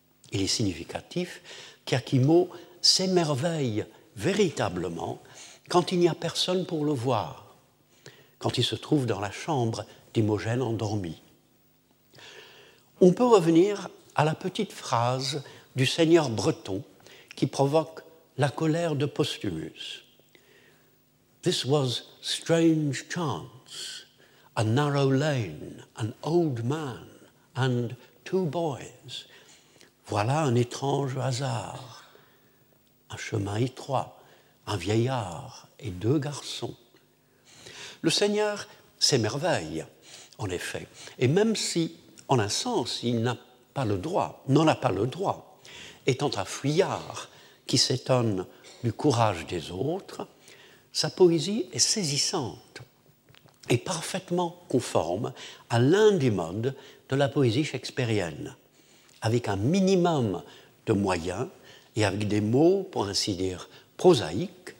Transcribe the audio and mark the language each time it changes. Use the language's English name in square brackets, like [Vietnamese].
[French] Il est significatif qu'Iachimo s'émerveille véritablement quand il n'y a personne pour le voir, quand il se trouve dans la chambre d'Imogène endormie. On peut revenir à la petite phrase du seigneur breton qui provoque la colère de Posthumus. [English] This was strange chance, a narrow lane, an old man and two boys. [French] Voilà un étrange hasard, un chemin étroit, un vieillard et deux garçons. Le seigneur s'émerveille, en effet, et même si, en un sens, il n'a pas le droit, n'en a pas le droit, étant un fuyard qui s'étonne du courage des autres, sa poésie est saisissante et parfaitement conforme à l'un des modes de la poésie shakespearienne, avec un minimum de moyens et avec des mots, pour ainsi dire, prosaïques,